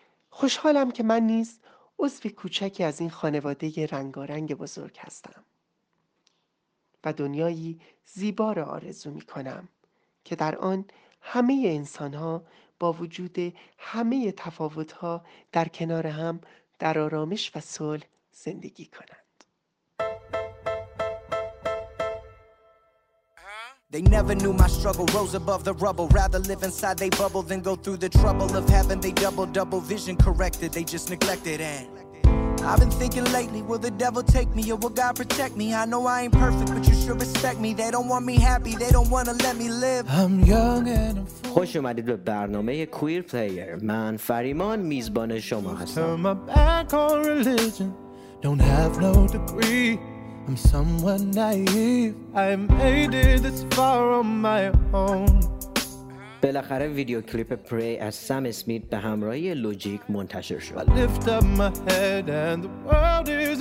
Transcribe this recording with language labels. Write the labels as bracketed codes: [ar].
[fa] خوشحالم که من نیز عضو کوچکی از این خانواده رنگارنگ بزرگ هستم و دنیایی زیبا را آرزو می کنم که در آن همه انسانها با وجود همه تفاوت‌ها در کنار هم در آرامش و صلح زندگی کنند. [en] They never knew my struggle rose above the rubble rather live inside they bubble than go through the trouble of having they double vision corrected they just neglected and I've been thinking lately, will the devil take me or will God protect me? I know I ain't perfect, but you should respect me. They don't want me happy, they don't want to let me live. I'm young and I'm free. [fa] خوش اومدید به برنامه کویر پلیر. من فریمان میزبان شما هستم. [en] Turn my back on religion, don't have no degree. I'm somewhat naive, I made it this far on my own. [fa] بالاخره ویدیو کلیپ پری از سم اسمیت به همراه لوجیک منتشر شد.